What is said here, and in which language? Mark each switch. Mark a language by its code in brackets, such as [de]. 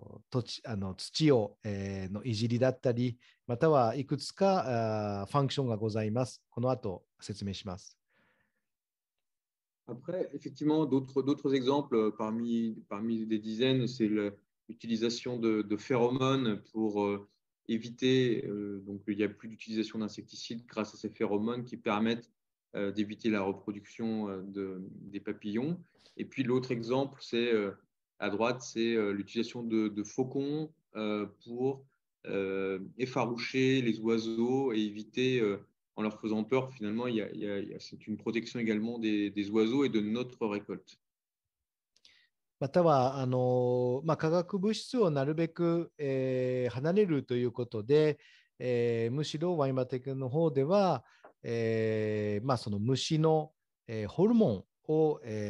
[ja] 土地あの土を、のいじりだったり、またはいくつかファンクションがございます。この後説明します。 [fr] Après, effectivement, d'autres exemples parmi des dizaines, c'est l'utilisation de phéromones pour éviter. Donc, il n'y a plus d'utilisation d'insecticides grâce à ces phéromones qui permettent d'éviter la reproduction des papillons. Et puis, l'autre exemple, c'est à droite, c'est l'utilisation de faucons pour effaroucher les oiseaux et éviter. En leur faisant peur, finalement, c'est une protection également des oiseaux et de notre récolte. [ja] または、化学物質をなるべく、離れるということで、むしろワイマテクの方では、その虫の、ホルモンを、